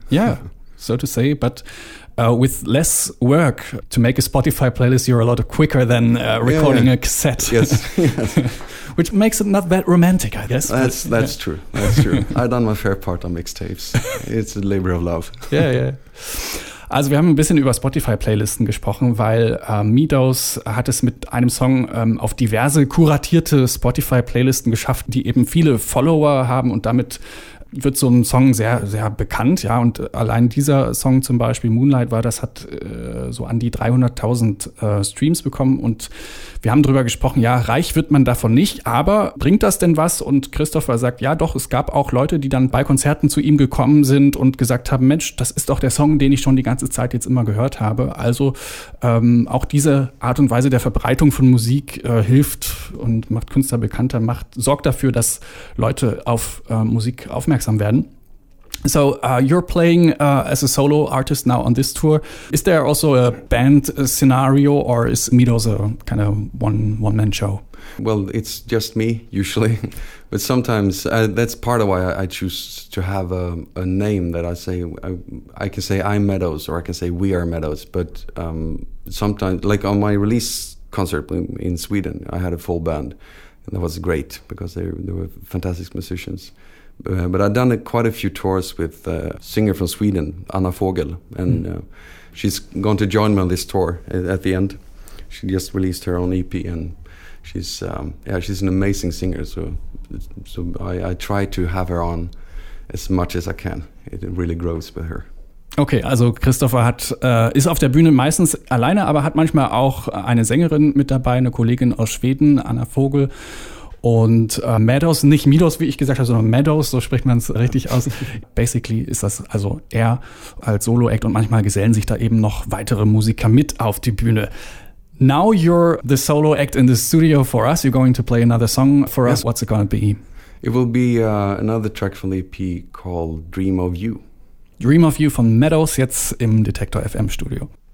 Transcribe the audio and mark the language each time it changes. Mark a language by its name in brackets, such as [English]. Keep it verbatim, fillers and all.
[English] Yeah, so to say, but Uh, with less work to make a Spotify playlist, you're a lot quicker than uh, recording yeah, yeah. a cassette. Yes, yes. Which makes it not that romantic, I guess. That's but, that's yeah. true. That's true. I've done my fair part on mixtapes. It's a labor of love. Yeah, yeah. [German] Also wir haben ein bisschen über Spotify-Playlisten gesprochen, weil äh, Meadows hat es mit einem Song ähm, auf diverse kuratierte Spotify-Playlisten geschafft, die eben viele Follower haben, und damit wird so ein Song sehr, sehr bekannt, ja, und allein dieser Song zum Beispiel, Moonlight war das, hat äh, so an die dreihunderttausend äh, Streams bekommen, und wir haben drüber gesprochen, ja, reich wird man davon nicht, aber bringt das denn was? Und Christopher sagt, ja doch, es gab auch Leute, die dann bei Konzerten zu ihm gekommen sind und gesagt haben, Mensch, das ist doch der Song, den ich schon die ganze Zeit jetzt immer gehört habe, also ähm, auch diese Art und Weise der Verbreitung von Musik äh, hilft und macht Künstler bekannter, macht, sorgt dafür, dass Leute auf äh, Musik aufmerksam werden. [English] So uh, you're playing uh, as a solo artist now on this tour. Is there also a band uh, scenario, or is Meadows a kind of one one man show? Well, it's just me usually, but sometimes uh, that's part of why I, I choose to have a, a name that I say I, I can say I'm Meadows, or I can say we are Meadows. But um, sometimes, like on my release concert in, in Sweden, I had a full band, and that was great because they they were fantastic musicians. Uh, but I've done uh, quite a few tours with a uh, singer from Sweden, Anna Fogel, and uh, she's going to join me on this tour at the end. She just released her own E P, and she's um, yeah, she's an amazing singer. So, so I, I try to have her on as much as I can. It really grows with her. [German] Okay, also Christopher hat, äh, ist auf der Bühne meistens alleine, aber hat manchmal auch eine Sängerin mit dabei, eine Kollegin aus Schweden, Anna Fogel. Und äh, Meadows, nicht Meadows, wie ich gesagt habe, sondern Meadows, so spricht man es richtig aus. Basically ist das also er als Solo-Act, und manchmal gesellen sich da eben noch weitere Musiker mit auf die Bühne. [English] Now you're the Solo-Act in the studio for us. You're going to play another song for yeah. us. What's it going to be? It will be uh, another track from the E P called Dream of You. [German] Dream of You von Meadows, jetzt im Detektor F M Studio.